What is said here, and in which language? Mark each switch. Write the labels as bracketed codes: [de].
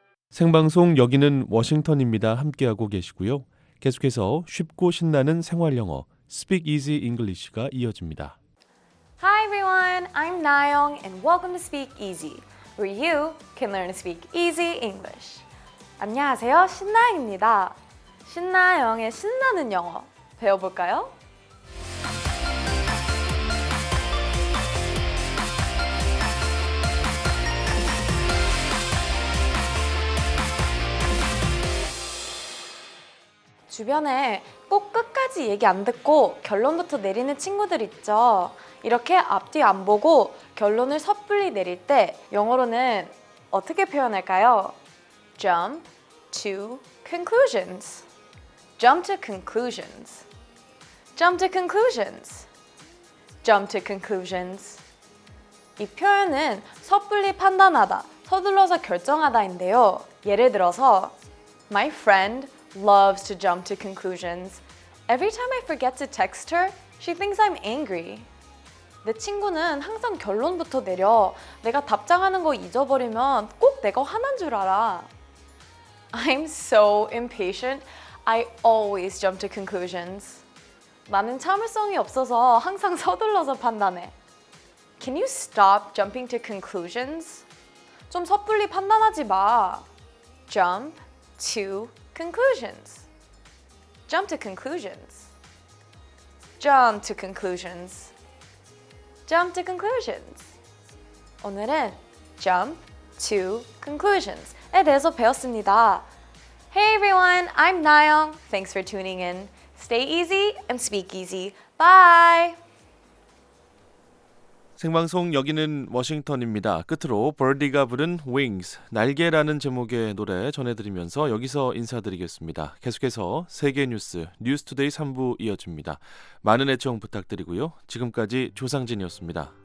[ko] (생방송) 여기는 워싱턴입니다. 함께하고 계시고요. 계속해서 쉽고 신나는 생활 영어 (Speak Easy English)가 이어집니다. [en] Hi everyone, I'm Nayeong and welcome to Speak Easy, where you can learn to speak easy English. [ko] 안녕하세요, 신나영입니다. 신나영의 신나는 영어 배워볼까요? 주변에 꼭 끝까지 얘기 안 듣고 결론부터 내리는 친구들 있죠. 이렇게 앞뒤 안 보고 결론을 섣불리 내릴 때 영어로는 어떻게 표현할까요? [en] Jump to conclusions. Jump to conclusions. Jump to conclusions. Jump to conclusions. [ko] 이 표현은 섣불리 판단하다, 서둘러서 결정하다인데요. 예를 들어서 [en] My friend loves to jump to conclusions. Every time I forget to text her, she thinks I'm angry. [ko] 내 친구는 항상 결론부터 내려. 내가 답장하는 거 잊어버리면 꼭 내가 화난 줄 알아. [en] I'm so impatient. I always jump to conclusions. [ko] 나는 참을성이 없어서 항상 서둘러서 판단해. [en] Can you stop jumping to conclusions? [ko] 좀 섣불리 판단하지 마. [en] Jump to conclusions. Jump to conclusions. Jump to conclusions. Jump to conclusions. [ko] 오늘은 [en] jump to conclusions [ko] 에 대해서 배웠습니다. [en] Hey everyone, I'm Nayeong. Thanks for tuning in. Stay easy and speak easy. Bye. [ko] 생방송 여기는 워싱턴입니다. 끝으로 버디가 부른 Wings, 날개라는 제목의 노래 전해드리면서 여기서 인사드리겠습니다. 계속해서 세계 뉴스, 뉴스 투데이 3부 이어집니다. 많은 애청 부탁드리고요. 지금까지 조상진이었습니다.